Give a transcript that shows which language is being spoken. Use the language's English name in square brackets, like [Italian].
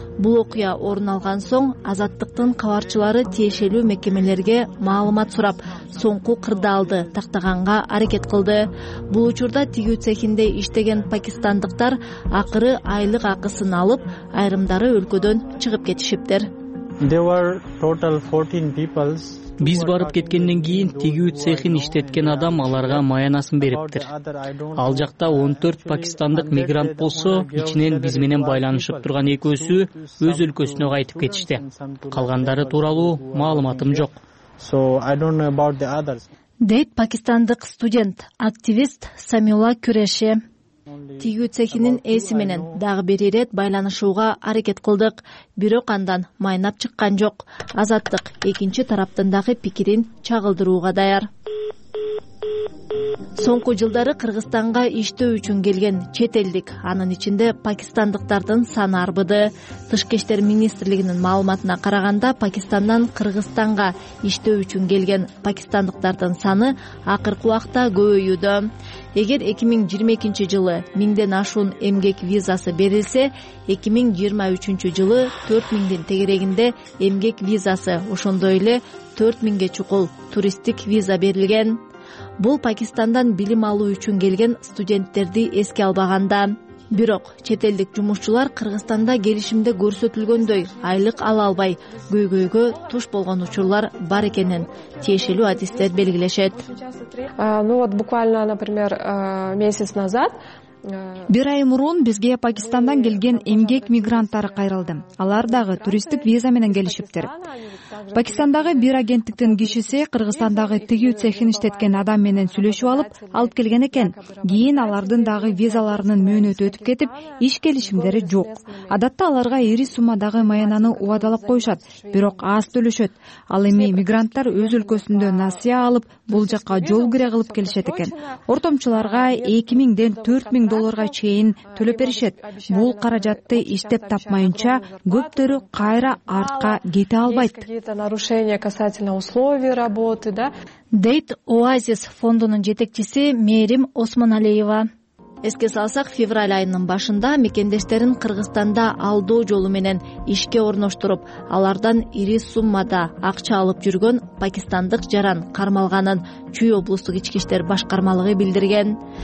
[Kyrgyz] Бул окуя орун алган соң, азаттыктын кабарчылары тиешелүү мекемелерге маалымат сурап, соңку кырдаалды тактаганга аракет кылды. Бул учурда тигүү цехинде иштеген пакистандыктар акыры айлык акысын алып, айрымдары өлкөдөн чыгып кетишиптер. [English] There were total 14 people. [Kyrgyz] Биз барып кеткенден кийин тигүү цехин иштеткен адам аларга маянасын бериптир. Ал жакта 14 пакистандык мигрант болсо, ичинен биз менен байланышып турган экөөсү өз өлкөсүнө кайтып кетишти. Калгандары тууралуу маалыматым жок. [English] So I don't know about the others. [Kyrgyz] Дейт пакистандык студент, активист Самила Күреше. Тигүү цехинин ээси менен дагы бир ирет байланышууга аракет кылдык, бирок андан майнап чыккан жок. Азаттык экинчи тараптын дагы пикирин чагылдырууга даяр. Соңку жылдары Кыргызстанга иштөө үчүн келген чет элдик, анын ичинде пакистандыктардын саны арбыды. Тышкы иштер министрлигинин маалыматына караганда, Пакистандан Кыргызстанга иштөө үчүн келген пакистандыктардын саны акыркы убакта көбөйүүдө. Эгер 2022 жылы 1000 ашуун эмгек визасы берилсе, 2023 жылы 4000 тегерегинде эмгек визасы, ошондой эле 4000 чукул туристтик виза берилген. Бул Пакистандан билим алуу үчүн келген студенттерди эске албаганда. Бирок чет элдик жумушчулар Кыргызстанда келишимде көрсөтүлгөндөй айлык ала албай көйгөйгө туш болгон учурлар бар экенин тиешелүү адистер белгилешет. [Russian] Буквально, например, месяц назад. [Kyrgyz] Бир ай мурун бизге Пакистандан келген эмгек мигранттары кайрылды. Алар дагы туристтик виза менен келишиптир. Пакистандагы бир агенттиктин кишиси Кыргызстандагы тигүү цехин иштеткен адам менен сүйлөшүп алып, алып келген экен. Кийин алардын дагы визаларынын мөөнөтү өтүп кетип, иш келишимдери жок. Адатта аларга ири суммадагы маянаны убадалап коюшат, бирок аз төлөшөт. Ал эми мигранттар өз өлкөсүндө насыя алып, бул жакка жол кире кылып келишет экен. Ортомчуларга 2000 долларга чейин төлөп беришет. Бул каражатты иштеп тапмайынча көптөрү кайра артка кете албайт. [Russian] Какие-то нарушения касательно условий работы, да? [Kyrgyz] Дейт Оазис фондунун жетекчиси Мээрим Осмоналиева. Эске салсак, февраль айынын башында мекендештерин Кыргызстанда алдоо жолу менен ишке орноштуруп, алардан ири суммада акча алып жүргөн пакистандык жаран кармалганын Чүй облустук ички иштер башкармалыгы билдирген.